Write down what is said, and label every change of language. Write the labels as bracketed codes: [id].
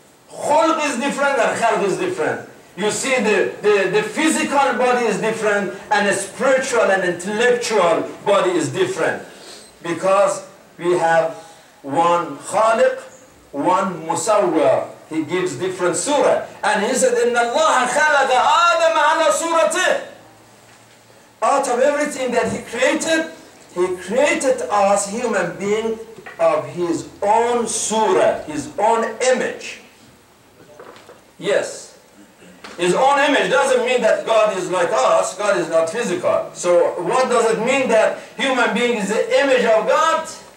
[en] Khulq is different and khalq is different. You see, the physical body is different, and a spiritual and intellectual body is different. Because we have one khaliq, one musawwir. He gives different surah. And he said, [ar] إِنَّ اللَّهَ خَلَقَ آدَمَ عَلَى سُورَتِهِ. [en] Out of everything that he created us human being of his own surah, his own image. Yes, his own image doesn't mean that God is like us. God is not physical. So what does it mean that human being is the image of God?